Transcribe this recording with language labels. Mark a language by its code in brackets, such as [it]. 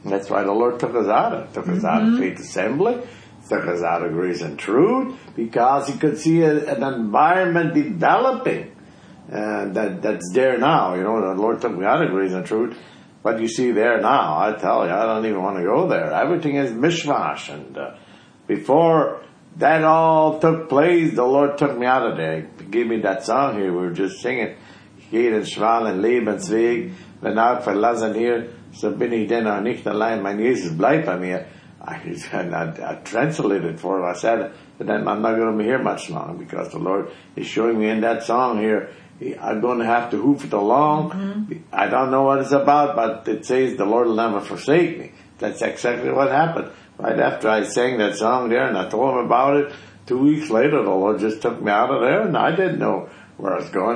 [en] That's why the Lord took us out of it. Took us mm-hmm. out of faith assembly, took us out of grace and truth, because he could see an environment developing that's there now. You know, the Lord took me out of grace and truth. What you see there now, I tell you, I don't even want to go there. Everything is mishmash. And before that all took place, the Lord took me out of there. He gave me that song here. We were just singing. [de] Jeden Schwal in Lebensweg, wenn auch verlassen hier, so bin ich denn auch nicht allein. Mein Jesus bleibt bei mir. [en] I translated for him. I said, but then I'm not going to be here much longer, because the Lord is showing me in that song here, I'm going to have to hoof it along. Mm-hmm. I don't know what it's about, but it says the Lord will never forsake me. That's exactly what happened. Right after I sang that song there and I told him about it, 2 weeks later the Lord just took me out of there, and I didn't know where I was going.